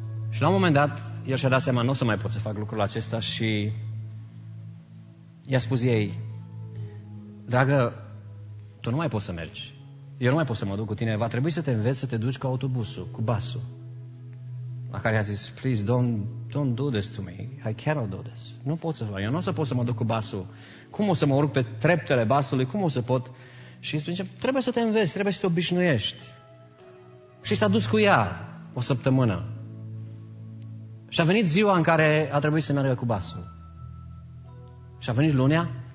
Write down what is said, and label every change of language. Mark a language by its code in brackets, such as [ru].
[ro] Și la un moment dat, el și-a dat seama, nu o să mai pot să fac lucrul acesta și i-a spus ei: dragă, tu nu mai poți să mergi. Eu nu mai pot să mă duc cu tine, va trebui să te înveți să te duci cu autobusul, cu basul. La care a zis: [en] please, don't do this to me. I cannot do this. [ro] Nu pot să fac. Eu nu o să pot să mă duc cu basul. Cum o să mă urc pe treptele basului? Cum o să pot? Și spune: trebuie să te înveți, trebuie să te obișnuiești. Și s-a dus cu ea o săptămână. Și a venit ziua în care a trebuit să meargă cu basul. Și a venit lunea.